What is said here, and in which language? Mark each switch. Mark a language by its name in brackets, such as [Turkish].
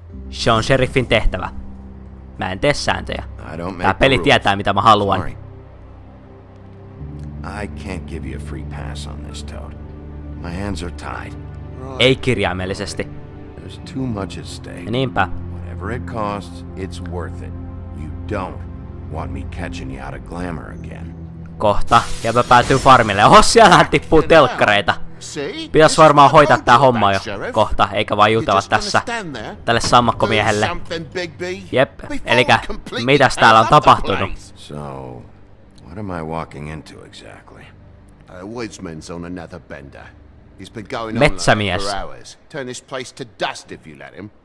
[Finnish] Se on sheriffin tehtävä. Mä en tee sääntöjä. Tää peli tietää, mitä mä haluan. [English] I can't give you a free pass on this, Toad. My hands are tied. [Finnish] Ei kirjaimellisesti. [English] There's too much at stake. [Finnish] Niinpä. [English] Whatever it costs, it's worth it. You don't want me catching you out of glamour again. [Finnish] Kohta, ja mä päätyn farmille. Oho, siellä tippuu telkkareita. Pitäis varmaan hoitaa tää homma jo kohta, eikä vaan jutella tässä tälle sammakkomiehelle. Jep, elikä mitäs täällä on tapahtunut? [English] So, what am I walking into exactly? Woodsman's on another bender. He's been going on for hours. Turn this place to dust if you let him.